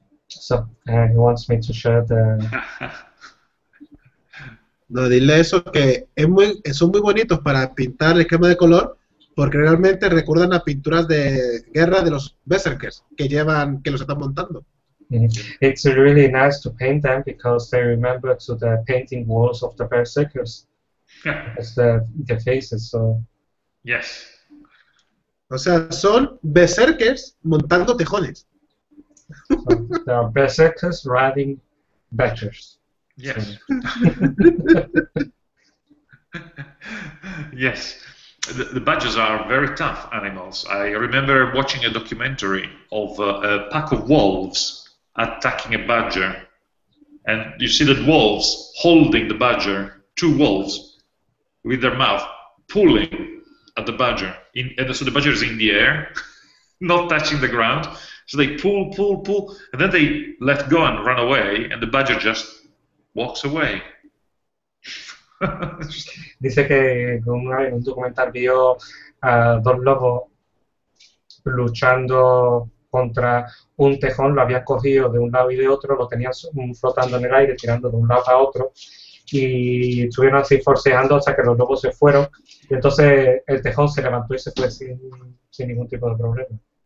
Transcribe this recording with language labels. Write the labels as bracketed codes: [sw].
[en] So, he wants me to share the... [es] No, dile eso, que es muy, son muy bonitos para pintar el esquema de color, porque realmente recuerdan a pinturas de guerra de los berserkers que llevan, que los están montando. [en] It's really nice to paint them because they remember to the painting walls of the berserkers. Yeah. The faces, so... Yes. [es] O sea, son berserkers montando tejones. [en] So, they are berserkers riding badgers. Yes. So. Yes. The badgers are very tough animals. I remember watching a documentary of a pack of wolves attacking a badger. And you see the wolves holding the badger, two wolves, with their mouth, pulling at the badger. So the badger is in the air, not touching the ground. So they pull, and then they let go and run away, and the badger just walks away. [es] Dice que un documental vio a dos lobos luchando contra un tejón, lo habían cogido de un lado y de otro, lo tenían flotando en el aire, tirando de un lado a otro, y estuvieron así forcejando hasta que los lobos se fueron, y entonces el tejón se levantó y se fue sin ningún tipo de problema.